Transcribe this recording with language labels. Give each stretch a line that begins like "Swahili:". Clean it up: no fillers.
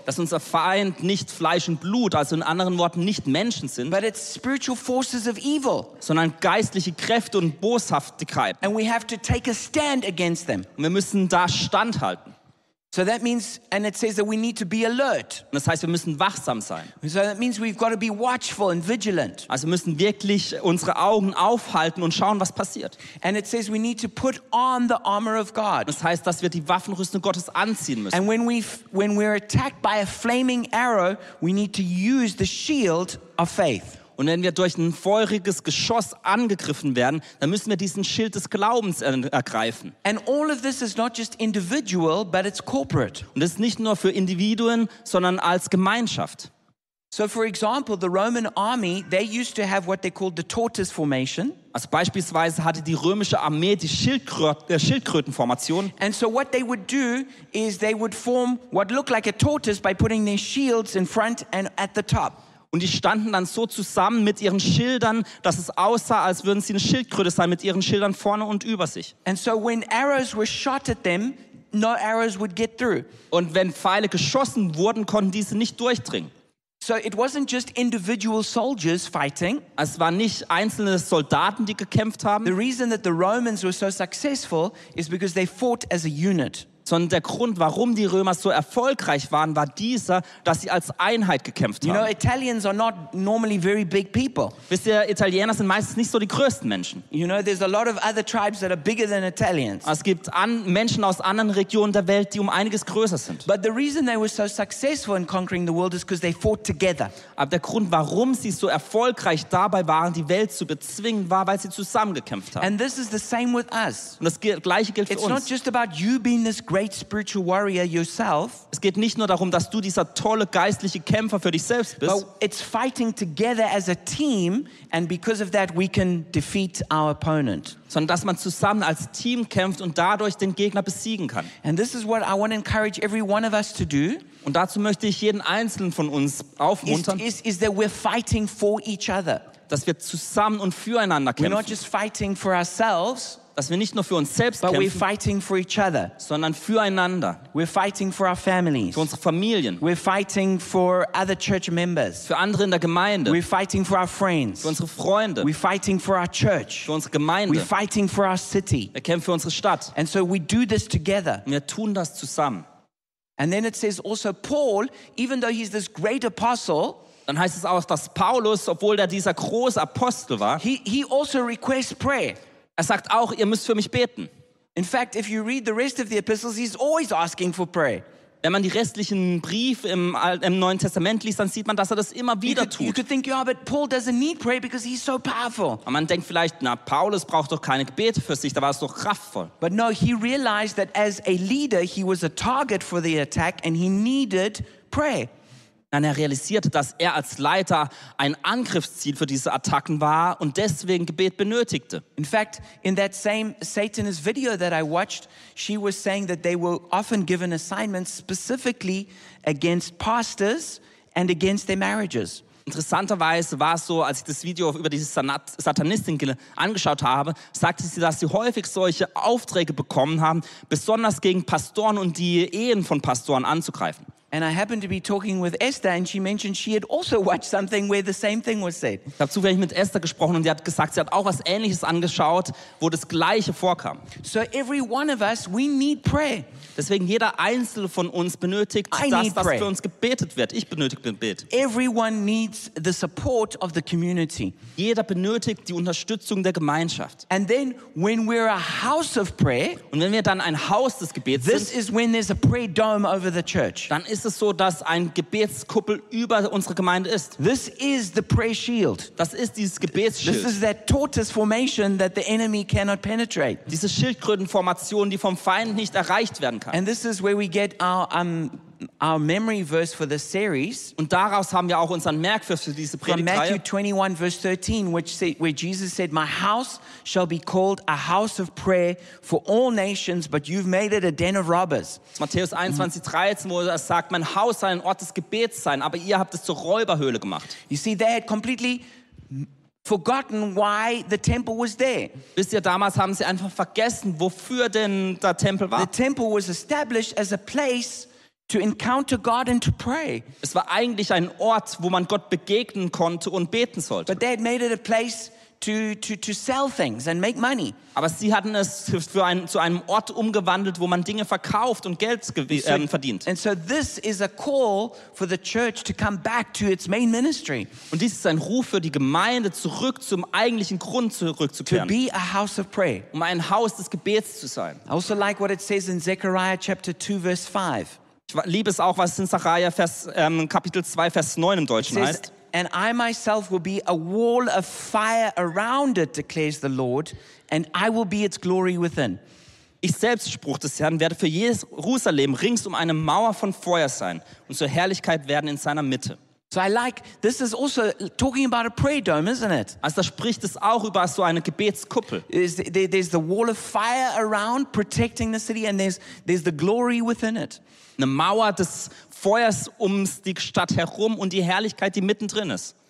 German: Dass unser Feind nicht Fleisch und Blut, also in anderen Worten nicht Menschen sind.
English: But it's spiritual forces of evil.
German: Sondern geistliche Kräfte und Boshaftigkeit.
English: And we have to take a stand against them.
German: Und wir müssen da standhalten.
English: So that means, and it says that we need to be alert.
German: Das heißt, wir müssen wachsam sein.
English: So that means we've got to be watchful and vigilant.
German: Also müssen wirklich unsere Augen aufhalten und schauen, was passiert.
English: And it says we need to put on the armor of God.
German: Das heißt, dass wir die Waffenrüstung Gottes anziehen müssen.
English: And when we're attacked by a flaming arrow, we need to use the shield of faith.
German: Und wenn wir durch ein feuriges Geschoss angegriffen werden, dann müssen wir diesen Schild des Glaubens ergreifen.
English: And all of this is not just individual, but it's corporate.
German: Und es ist nicht nur für Individuen, sondern als Gemeinschaft.
English: So for example, the Roman army, they used to have what they called the tortoise formation.
German: Also beispielsweise hatte die römische Armee die Schildkrötenformation.
English: And so what they would do is they would form what looked like a tortoise by putting their shields in front and at the top.
German: Und die standen dann so zusammen mit ihren Schildern, dass es aussah, als würden sie eine Schildkröte sein, mit ihren Schildern vorne und über sich.
English: And so when arrows were shot at them, no arrows would get through.
German: Und wenn Pfeile geschossen wurden, konnten diese nicht durchdringen.
English: So it wasn't just individual soldiers fighting.
German: Es waren nicht einzelne Soldaten, die gekämpft haben.
English: The reason that the Romans were so successful is because they fought as a unit.
German: Sondern der Grund, warum die Römer so erfolgreich waren, war dieser, dass sie als Einheit gekämpft haben.
English: You know, Italians are not normally very big people.
German: Wisst ihr, Italiener sind meistens nicht so die größten Menschen.
English: You know, there's a lot of other tribes that are bigger than Italians.
German: Es gibt Menschen aus anderen Regionen der Welt, die um einiges größer sind.
English: But the reason they were so successful in conquering the world is because they fought together.
German: Aber der Grund, warum sie so erfolgreich dabei waren, die Welt zu bezwingen, war, weil sie zusammen gekämpft haben.
English: And this is the same with us.
German: Und das gleiche gilt für
English: It's
German: uns.
English: It's not just about you being this great spiritual warrior yourself.
German: Es geht nicht nur darum, dass du dieser tolle geistliche Kämpfer für dich selbst bist.
English: But it's fighting together as a team, and because of that we can defeat our opponent.
German: Sondern dass man zusammen als Team kämpft und dadurch den Gegner besiegen kann.
English: And this is what I want to encourage every one of us to do.
German: Und dazu möchte ich jeden einzelnen von uns aufmuntern.
English: Is that we're fighting for each other.
German: Dass wir zusammen und füreinander kämpfen.
English: We're not just fighting for ourselves.
German: Dass wir nicht nur für uns selbst
English: But
German: kämpfen,
English: we're fighting for each other.
German: Sondern füreinander.
English: We're fighting for our families.
German: Für unsere Familien.
English: We're fighting for other church members.
German: Für andere in der Gemeinde.
English: We're fighting for our friends.
German: Für unsere Freunde.
English: We're fighting for our church.
German: Für unsere Gemeinde.
English: We're fighting for our city.
German: Wir kämpfen für unsere Stadt.
English: And so we do this together.
German: Wir tun das zusammen.
English: And then it says also Paul, even though he's this great apostle,
German: dann heißt es auch, dass Paulus, obwohl er dieser große Apostel war,
English: he also requests prayer.
German: Er sagt auch, ihr müsst für mich beten.
English: In fact, if you read the rest of the epistles, he's always asking for prayer.
German: Wenn man die restlichen Briefe im Neuen Testament liest, dann sieht man, dass er das immer wieder tut.
English: You could think, yeah, but Paul doesn't need prayer because he's so powerful.
German: Und man denkt vielleicht, na, Paulus braucht doch keine Gebete für sich, da war es doch kraftvoll.
English: But no, he realized that as a leader, he was a target for the attack and he needed prayer.
German: Dann er realisierte, dass er als Leiter ein Angriffsziel für diese Attacken war und deswegen Gebet benötigte.
English: In fact, in that same Satanist video that I watched, she was saying that they were often given assignments specifically against pastors and against their marriages.
German: Interessanterweise war es so, als ich das Video über diese Satanistin angeschaut habe, sagte sie, dass sie häufig solche Aufträge bekommen haben, besonders gegen Pastoren und die Ehen von Pastoren anzugreifen.
English: And I happened to be talking with Esther and she mentioned she had also watched something where the same thing was said.
German: Ich habe zufällig mit Esther gesprochen und sie hat gesagt, sie hat auch was Ähnliches angeschaut, wo das Gleiche vorkam.
English: So every one of us, we need prayer.
German: Deswegen jeder Einzelne von uns benötigt, dass für uns gebetet wird. Ich benötige Gebet.
English: Everyone needs the support of the community.
German: Jeder benötigt die Unterstützung der Gemeinschaft.
English: And then when we're a house of prayer,
German: und wenn wir dann ein Haus des Gebets
English: this
German: sind,
English: is when there's a prayer dome over the church.
German: Dann ist ist es so, dass ein Gebetskuppel über unsere Gemeinde ist.
English: This is the prayer shield.
German: Das ist dieses Gebetsschild.
English: This is that tortoise formation that the enemy cannot penetrate.
German: Diese Schildkrötenformation, die vom Feind nicht erreicht werden kann.
English: And this is where we get our memory verse for this series.
German: Und daraus haben wir auch unseren Merkvers für diese Predigtreihe.
English: From Matthew 21 verse 13, where Jesus said, "My house shall be called a house of prayer for all nations, but you've made it a den of robbers."
German: Matthäus 21:13, wo er sagt, "Mein Haus soll ein Ort des Gebets sein, aber ihr habt es zur Räuberhöhle gemacht."
English: You see, they had completely forgotten why the temple was there.
German: Wisst ihr, damals haben sie einfach vergessen, wofür denn der Tempel war.
English: The temple was established as a place to encounter God and to pray.
German: Es war eigentlich ein Ort, wo man Gott begegnen konnte und beten sollte.
English: But they had made it a place to sell things and make money.
German: Aber sie hatten es zu einem Ort umgewandelt, wo man Dinge verkauft und Geld verdient.
English: And so this is a call for the church to come back to its main ministry.
German: Und dies ist ein Ruf für die Gemeinde, zurück zum eigentlichen Grund zurückzukehren.
English: To be a house of prayer.
German: Um ein Haus des Gebets zu sein.
English: I also like what it says in Zechariah chapter 2 verse 5.
German: Ich liebe es auch, was in Zacharia Kapitel 2, Vers 9 im Deutschen heißt.
English: "And I myself will be a wall of fire around it, declares the Lord, and I will be its glory within."
German: Ich selbst, Spruch des Herrn, werde für Jerusalem rings um eine Mauer von Feuer sein und zur Herrlichkeit werden in seiner Mitte.
English: So I like, this is also talking about a prayer dome, isn't it?
German: Also da spricht es auch über so eine Gebetskuppel.
English: There's the wall of fire around protecting the city and there's the glory within it.
German: Eine Mauer des Feuers um die Stadt herum und die Herrlichkeit, die mittendrin ist.